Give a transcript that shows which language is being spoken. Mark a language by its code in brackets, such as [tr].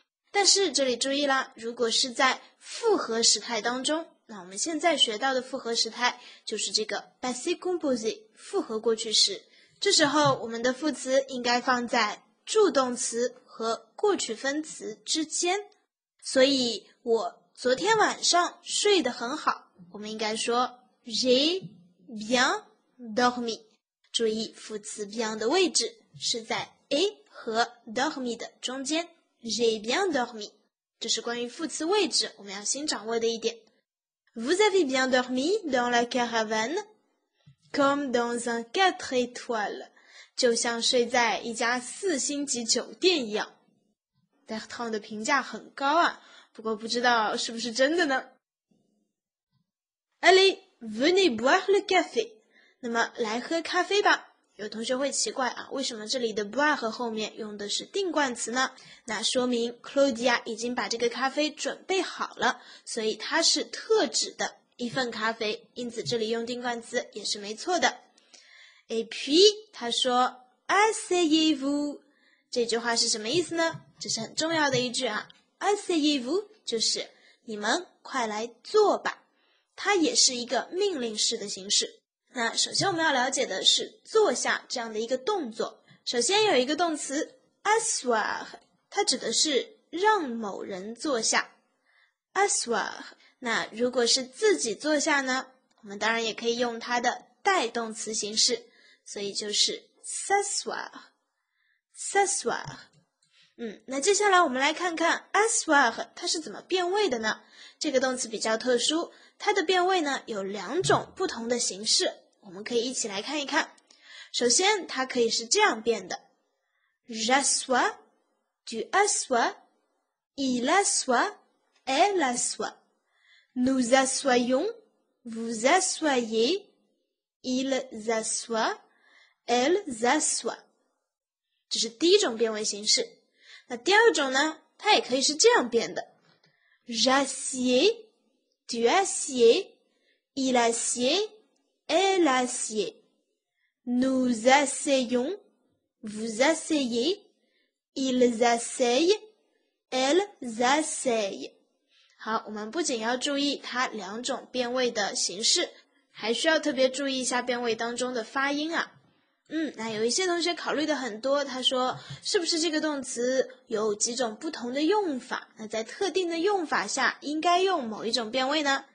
[zh] 但是这里注意啦，如果是在复合时态当中，那我们现在学到的复合时态就是这个 passé composé 复合过去时，这时候我们的副词应该放在助动词和过去分词之间，所以我昨天晚上睡得很好，我们应该说 [fr] J'ai bien dormi。 [zh] 注意副词 bien 的位置是在 A 和 dormi 的中间， [fr] J'ai bien dormi。 [zh] 这是关于副词位置我们要新掌握的一点。 [fr] Vous avez bien dormi dans la caravane? Comme dans un 4 étoiles. [zh] 就像睡在一家四星级酒店一样。 Bertrand 的评价很高啊，不过不知道是不是真的呢。 [fr] Allez, venez boire le café. [zh] 那么来喝咖啡吧，有同学会奇怪啊，为什么这里的 bar 后面用的是定冠词呢？那说明 Claudia 已经把这个咖啡准备好了，所以它是特指的一份咖啡，因此这里用定冠词也是没错的。 [fr] Et puis [zh] 他说 [fr] Asseyez-vous， [zh] 这句话是什么意思呢？这是很重要的一句啊。 [fr] Asseyez-vous [zh] 就是你们快来坐吧，它也是一个命令式的形式。那首先我们要了解的是坐下这样的一个动作。首先有一个动词 asseoir， 它指的是让某人坐下。 asseoir， 那如果是自己坐下呢，我们当然也可以用它的代动词形式，所以就是 s'asseoir。 s'asseoir， 那接下来我们来看看 asseoir 它是怎么变位的呢？这个动词比较特殊，它的变位呢有两种不同的形式，我们可以一起来看一看。首先它可以是这样变的， [fr] j'assois, tu assois, il assois, elle assois, nous assoyons, vous assoyez, ils assoient, elles assoient。这是第一种变位形式。 [zh] 那第二种呢，它也可以是这样变的， [fr] j'assieds,Tu assieds, il assied, elle assied. Nous asseyons, vous asseyez, ils asseyent, elles asseyent. [zh] 好，我们不仅要注意它两种变位的形式，还需要特别注意一下变位当中的发音啊。那有一些同学考虑的很多，他说是不是这个动词有几种不同的用法，那在特定的用法下应该用某一种变位呢？